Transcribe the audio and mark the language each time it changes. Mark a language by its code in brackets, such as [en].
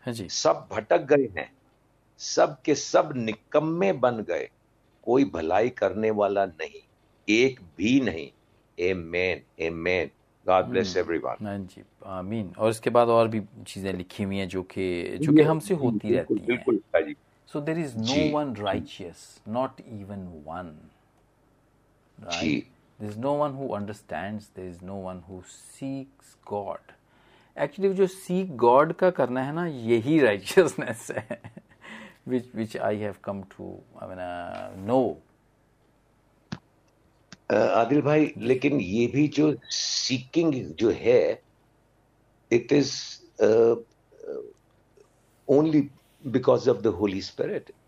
[ur] سب بھٹک گئے ہیں, سب کے سب نکمے بن گئے, کوئی بھلائی کرنے والا نہیں, ایک بھی نہیں. [en] آمین, آمین. God bless everyone. [ur] ہاں جی, آمین. اور اس کے بعد اور بھی چیزیں لکھی ہوئی ہیں جو کہ ہم سے ہوتی رہتی ہیں. بالکل جی. [en] So there is no one righteous, not even one. Right? There is no one who understands. There is no one who seeks God. Actually, جو seek God [ur] کا کرنا ہے نا یہی [en] righteousness ہے which I have come to know. [ur] عادل بھائی, لیکن یہ بھی جو سیکنگ جو ہے, [en] It is only because of the holy spirit.